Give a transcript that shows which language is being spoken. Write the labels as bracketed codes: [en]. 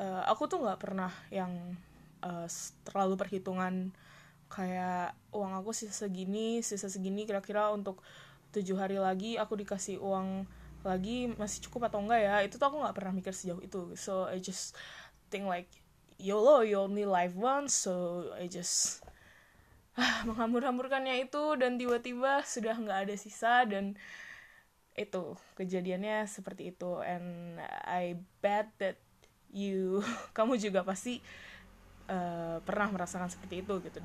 [id] Aku tuh gak pernah yang terlalu perhitungan kayak uang aku sisa segini kira-kira untuk 7 hari lagi aku dikasih uang lagi masih cukup atau enggak ya. Itu tuh aku gak pernah mikir sejauh itu. [en] So I just think like, YOLO, you only live once. So I just [id] menghambur-hamburkannya itu, dan tiba-tiba sudah gak ada sisa, dan itu kejadiannya seperti itu. [en] And I bet that [id] kamu juga pasti pernah merasakan seperti itu gitu.